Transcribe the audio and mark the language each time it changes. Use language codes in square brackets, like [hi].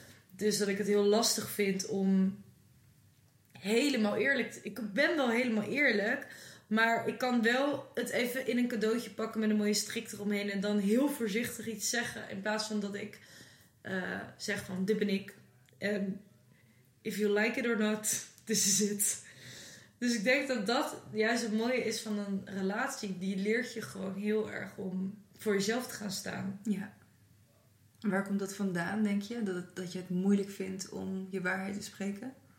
[nl] Dus dat ik het heel lastig vind om helemaal eerlijk... Ik ben wel helemaal eerlijk, maar ik kan wel het even in een cadeautje pakken met een mooie strik eromheen en dan heel voorzichtig iets zeggen. In plaats van dat ik zeg van, dit ben ik. [en] And if you like it or not, this is it. [nl] Dus ik denk dat dat juist het mooie is van een relatie. Die leert je gewoon heel erg om voor jezelf te gaan staan. Ja. Waar komt dat vandaan, denk je? Dat je het moeilijk vindt om je waarheid te spreken?